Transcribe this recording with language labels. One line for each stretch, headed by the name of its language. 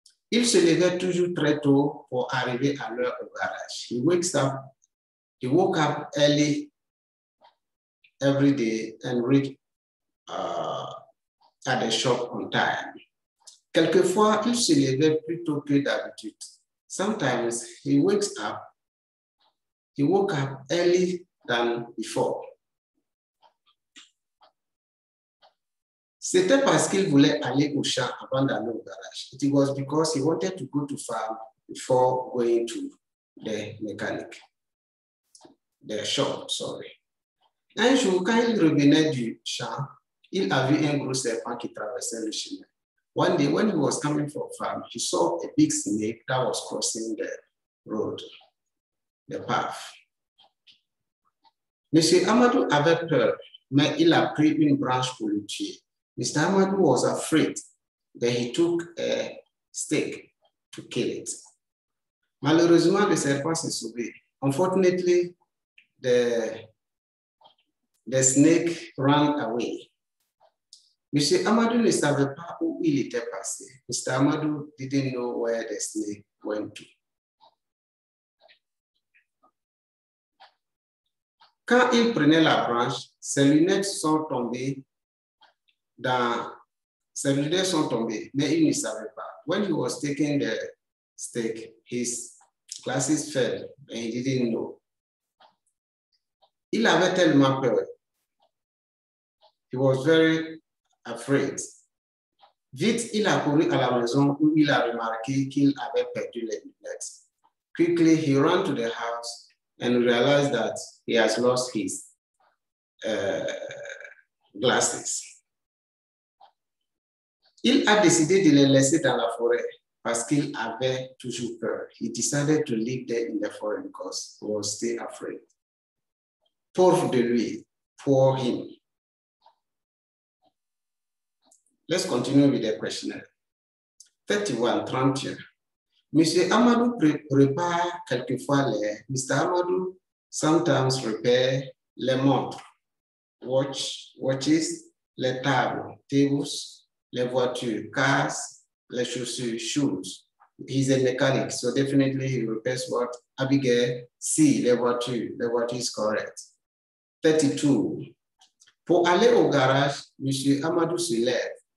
French: Il se levait toujours très tôt pour arriver à l'heure au garage.
English: He woke up early every day and reached at the shop on time.
French: Quelquefois, il se levait plus tôt que d'habitude.
English: Sometimes he woke up early than before.
French: C'était parce qu'il voulait aller au champ avant d'aller au garage.
English: It was because he wanted to go to farm before going to the mechanic. The shop, sorry.
French: Un jour, quand il revenait du champ, il a vu un gros serpent qui traversait le chemin.
English: One day, when he was coming from farm, he saw a big snake that was crossing the road, the path.
French: Monsieur Amadou avait peur, mais il a pris une branche pour le tuer.
English: Mr. Amadou was afraid, but he took a stick to kill it.
French: Malheureusement, le serpent s'est sauvé.
English: Unfortunately, the snake ran away.
French: Monsieur Amadou ne savait pas où il était passé.
English: Mr. Amadou didn't know where the snake went to.
French: Quand il prenait la branche, ses lunettes sont tombées. Ses lunettes sont tombées, mais il ne savait pas.
English: When he was taking the stick, his glasses fell and he didn't know.
French: Il avait tellement peur.
English: He was very afraid.
French: Vite, il a couru à la maison où il a remarqué qu'il avait perdu les lunettes.
English: Quickly, he ran to the house and realized that he has lost his glasses.
French: Il a décidé de les laisser dans la forêt parce qu'il avait toujours peur.
English: He decided to leave them in the forest because he was still afraid.
French: Pauvre de lui,
English: poor him. Let's continue with the questionnaire. 31, 30.
French: Monsieur Amadou prépare quelquefois les. Mr. Amadou
English: sometimes repairs
French: les montres,
English: watches,
French: les tables, les voitures,
English: cars,
French: les chaussures,
English: shoes. He's a mechanic, so definitely he repairs what? Abigail, see,
French: les voitures
English: is correct.
French: 32, pour aller au garage, Monsieur Amadou se lève.